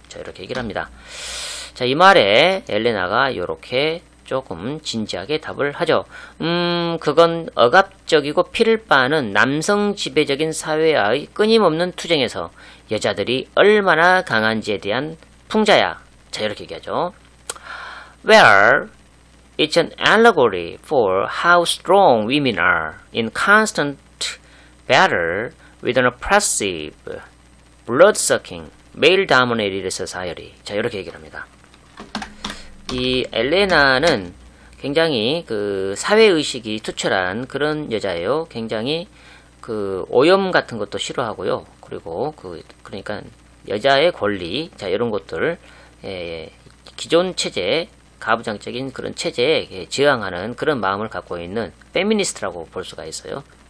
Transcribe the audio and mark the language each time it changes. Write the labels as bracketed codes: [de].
[ko] 자, 이렇게 얘기를 합니다. 자, 이 말에 엘레나가 이렇게 조금 진지하게 답을 하죠. 그건 억압적이고 피를 빠는 남성 지배적인 사회의 끊임없는 투쟁에서 여자들이 얼마나 강한지에 대한 풍자야. 자, 이렇게 얘기하죠. [en] Well, it's an allegory for how strong women are in constant battle with an oppressive, blood-sucking, male-dominated society. [ko] 자, 이렇게 얘기를 합니다. 이 엘레나는 굉장히 그 사회의식이 투철한 그런 여자예요. 굉장히 그 오염 같은 것도 싫어하고요. 그리고 그러니까 여자의 권리, 자, 이런 것들, 예, 기존 체제, 가부장적인 그런 체제에 저항하는 그런 마음을 갖고 있는 페미니스트라고 볼 수가 있어요.